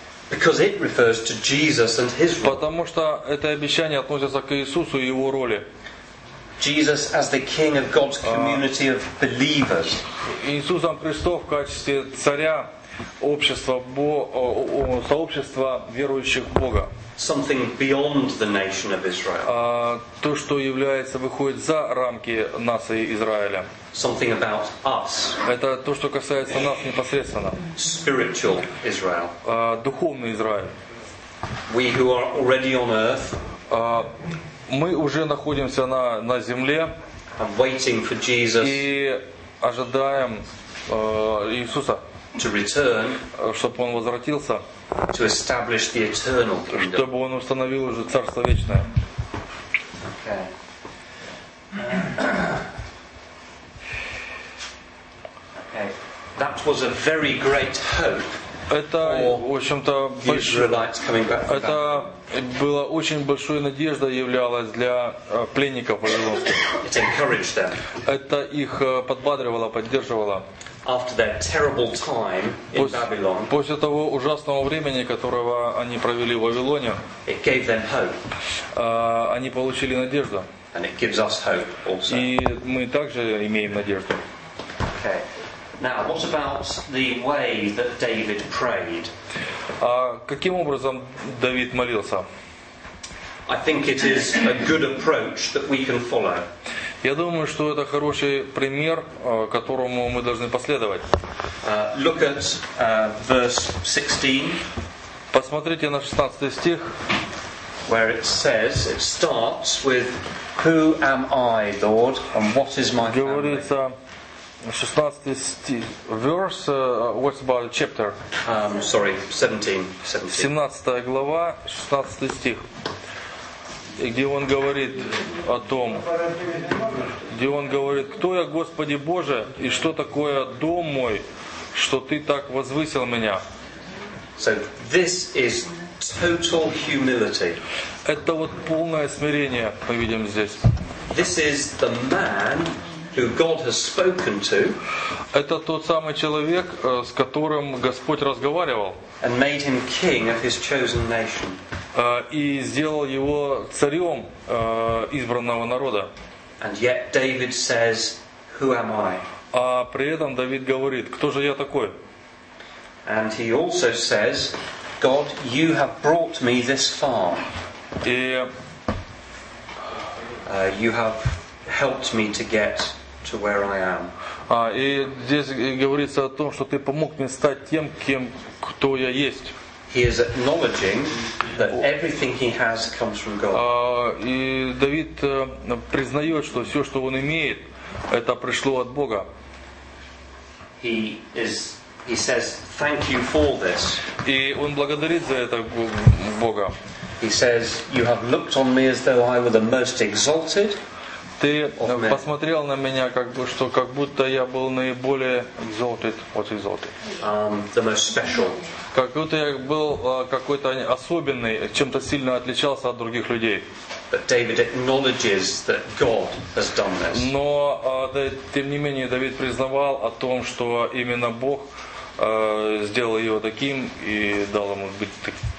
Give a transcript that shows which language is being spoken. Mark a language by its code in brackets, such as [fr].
[en] Because it refers to Jesus and his role. [ru] Потому что это обещание относится к Иисусу и его роли. [en] Jesus as the king of God's community of believers. [ru] Иисусом Христом в качестве царя общества сообщества верующих в Бога. [en] Something beyond the nation of Israel. [ru] То, что является, выходит за рамки нации Израиля. [en] Something about us. [ru] Это то, что касается нас непосредственно. [en] Spiritual Israel. [ru] Духовный Израиль. [en] We who are already on earth. [ru] Мы уже находимся на земле. [en] And waiting for Jesus. [ru] И ожидаем Иисуса. [en] To return. [ru] Чтобы он возвратился. [en] To establish the eternal kingdom. [ru] Чтобы он установил уже царство вечное. [en] Okay. That was a very great hope. [ru] Это, в общем-то, это было очень большой надеждой являлось для пленников. [en] It encouraged them. [ru] Это их подбадривало, поддерживало. [en] after that terrible time in Babylon. [ru] После того ужасного времени, которого они провели в Вавилоне, [en] it gave them hope. [ru] Они получили надежду. [en] And it gives us hope also. [ru] И мы также имеем надежду. [en] Okay. Now, what about the way that David prayed? [ru] Каким образом Давид молился? [en] I think it is a good approach that we can follow. [ru] Я думаю, что это хороший пример, которому мы должны последовать. [en] Look at verse 16. [ru] Посмотрите на 16 стих. [en] Where it says, it starts with, "Who am I, Lord, and what is my family?" [ru] Говорится 16 стих. [en] Verse, what about chapter? Sorry, 17. [ru] 17 глава, 16 стих. Где он говорит о том, где он говорит, кто я, Господи Боже, и что такое дом мой, что ты так возвысил меня. [en] So this is total humility. [ru] Это вот полное смирение мы видим здесь. [en] This is the man who God has spoken to. [ru] Это тот самый человек, с которым Господь разговаривал. [en] And made him king of his chosen nation. [ru] И сделал его царем избранного народа. [en] And yet David says, "Who am I?" [ru] А при этом Давид говорит, кто же я такой? [en] And he also says, "God, you have brought me this far. [ru] И, [en] you have helped me to get to where I am." [ru] И здесь говорится о том, что ты помог мне стать тем, кем, кто я есть. [en] He is acknowledging that everything he has comes from God. [ru] И Давид признает, что все, что он имеет, это пришло от Бога. [en] He says, "Thank you for this." [ru] И он благодарит за это Бога. [en] He says, "You have looked on me as though I were the most exalted." [ru] Ты посмотрел на меня, как бы, что как будто я был наиболее exalted, [en] what is exalted? The most special. [ru] Как будто я был какой-то особенный, чем-то сильно отличался от других людей. [en] But David acknowledges that God has done this. [ru] Но тем не менее Давид признавал о том, что именно Бог сделал его таким и дал ему быть таким.